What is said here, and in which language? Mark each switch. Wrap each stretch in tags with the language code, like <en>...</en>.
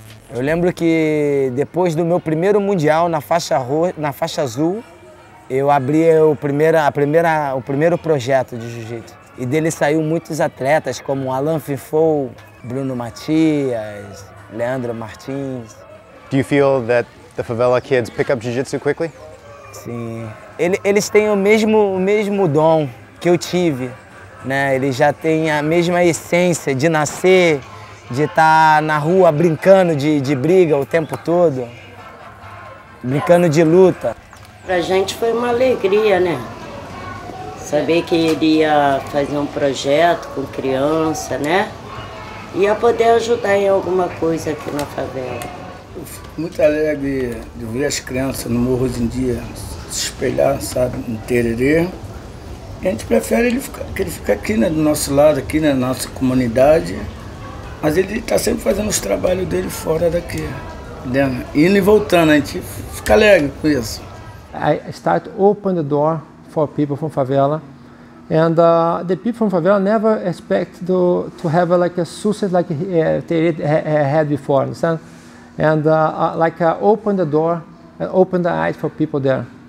<pt>Eu lembro que depois do meu primeiro mundial na faixa azul, eu abri o primeiro projeto de jiu-jitsu. E dele saiu muitos atletas como Alan Fifou, Bruno Matias, Leandro Martins.</pt> <en>Do you feel that the favela kids pick up jiu-jitsu quickly?</en> <pt>Sim. Eles têm o mesmo dom que eu tive, né? Eles já têm a mesma essência de nascer, de estar na rua brincando de briga o tempo todo, brincando de luta. Pra gente foi uma alegria, né? Saber que iria fazer um projeto com criança, né? Ia poder ajudar em alguma coisa aqui na favela. Eu fico muito alegre de ver as crianças no morro hoje em dia se espelhar, sabe, no Tererê. A gente prefere que ele fique aqui, né, do nosso lado, aqui, né, na nossa comunidade. Mas ele está sempre fazendo os trabalhos dele fora daqui, né? Indo e voltando, a gente fica alegre com isso.</pt> <en>I start open the door for people from favela, and the people from favela never expect to have like a success like they had before, understand? And like open the door and open the eyes for people there.</en>